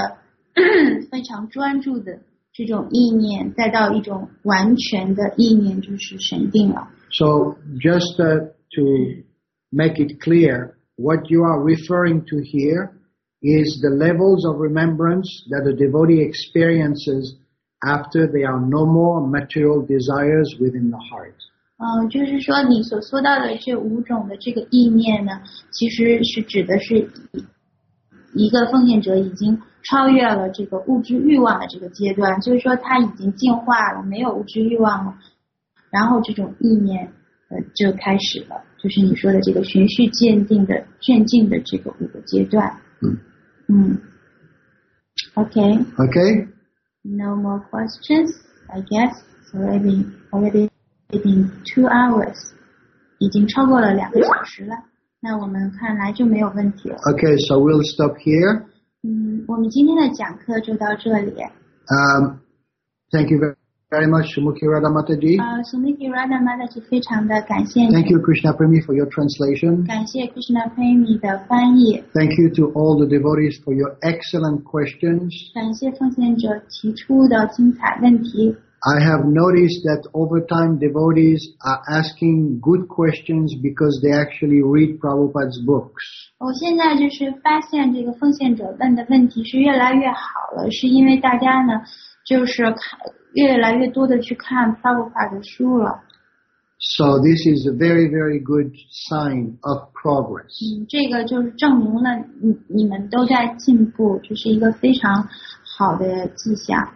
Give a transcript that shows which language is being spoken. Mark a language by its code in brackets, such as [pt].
[zh] 所以说呢，这个五个的这个意念的这个阶段呢，从这种短促的或者暂时的这种记忆呢，到越来越频繁的这种意念，然后再到这种强烈的、非常专注的。这种意念再到一种完全的意念就是神定了。 [en] So just to make it clear, what you are referring to here is the levels of remembrance that a devotee experiences after there are no more material desires within the heart. [zh] 就是说你所说到的这五种的这个意念呢，其实是指的是一个奉献者已经超越了这个物质欲望的这个阶段，就是说他已经进化了，没有物质欲望了，然后这种意念就开始了，就是你说的这个循序渐进的渐进的这个五个阶段。 [en] Okay. No more questions, I guess. So already been 2 hours. [zh] 已经超过了两个小时了。那我们看来就没有问题了。 [en] Okay, so we'll stop here. [zh] 我们今天的讲课就到这里。 [en] Thank you very much, Sumukhi Radha Mataji. [zh] Sumukhi Radha Mataji, 非常的感谢你。 [en] Thank you, Krishna Premi, for your translation. [zh] 感谢 Krishna Premi 的翻译。 [en] Thank you to all the devotees for your excellent questions. [zh] 感谢奉献者提出的精彩问题。 [en] I have noticed that over time devotees are asking good questions because they actually read Prabhupada's books. [zh] 我现在就是发现这个奉献者问的问题是越来越好了，是因为大家呢就是越来越多的去看 Prabhupada 的书了。 [en] So this is a very, very good sign of progress. [zh] 这个就是证明了你们都在进步，就是一个非常好的迹象。